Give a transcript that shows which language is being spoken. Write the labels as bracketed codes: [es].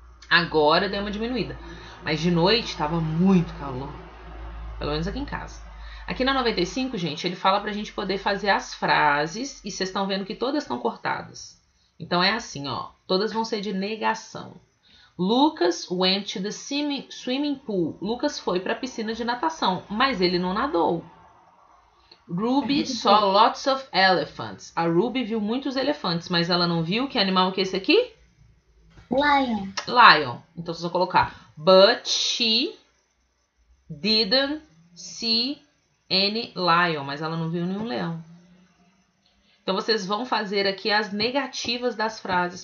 [pt] Agora deu uma diminuída. Mas de noite, estava muito calor. Pelo menos aqui em casa. Aqui na 95, gente, ele fala pra gente poder fazer as frases. E vocês estão vendo que todas estão cortadas. Então é assim, ó. Todas vão ser de negação. [en] Lucas went to the swimming pool. [pt] Lucas foi pra piscina de natação. Mas ele não nadou. [en] Ruby saw lots of elephants. [pt] A Ruby viu muitos elefantes. Mas ela não viu que animal que é esse aqui? [en] Lion. Lion. [pt] Então vocês vão colocar. [en] But she... didn't see any lion, [pt] mas ela não viu nenhum leão. Então, vocês vão fazer aqui as negativas das frases.